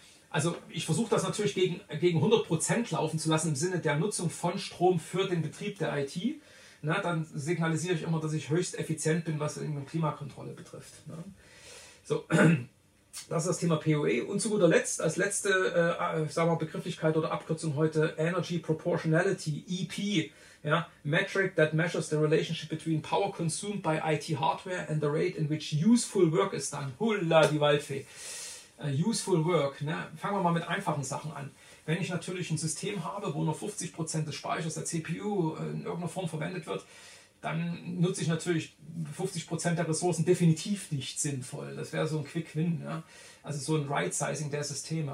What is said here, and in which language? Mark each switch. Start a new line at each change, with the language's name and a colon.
German: Also ich versuche das natürlich gegen 100% laufen zu lassen im Sinne der Nutzung von Strom für den Betrieb der IT. Na, dann signalisiere ich immer, dass ich höchst effizient bin, was irgendwie Klimakontrolle betrifft. Ne? So, das ist das Thema PUE. Und zu guter Letzt, als letzte Begrifflichkeit oder Abkürzung heute, Energy Proportionality, EP, ja?
English: Metric that measures the relationship between power consumed by IT hardware and the rate in which useful work is done.
German: Hulla die Waldfee.
English: Useful work,
German: ne? Fangen wir mal mit einfachen Sachen an. Wenn ich natürlich ein System habe, wo nur 50% des Speichers der CPU in irgendeiner Form verwendet wird, dann nutze ich natürlich 50% der Ressourcen definitiv nicht sinnvoll. Das wäre so ein Quick-Win, ja? Also so ein Right-Sizing der Systeme.